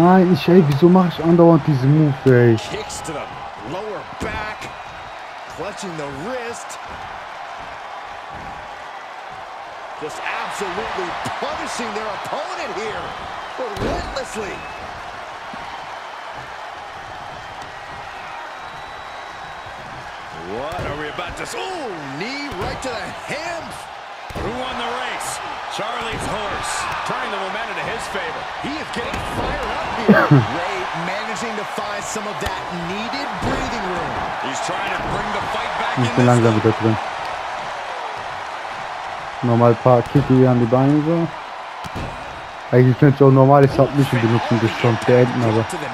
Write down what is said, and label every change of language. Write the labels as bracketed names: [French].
[German] Nein, ich, ey, wieso mache ich andauernd diese Move, ey? [English] Kicks to the lower back, clutching the wrist. Just absolutely punishing their opponent here. Relentlessly. What are we about to see? Oh, knee right to the ham. Who won the race? Charlie's horse turning the momentum to his favor. He is getting fired up here. Ray managing to find some of that needed breathing room. He's trying to bring the fight back. [German] Ich bin langsam wieder drin. Nochmal ein paar Kicke hier an die Beine. Eigentlich könnte ich auch normale Submission benutzen, das schon zu enden, aber.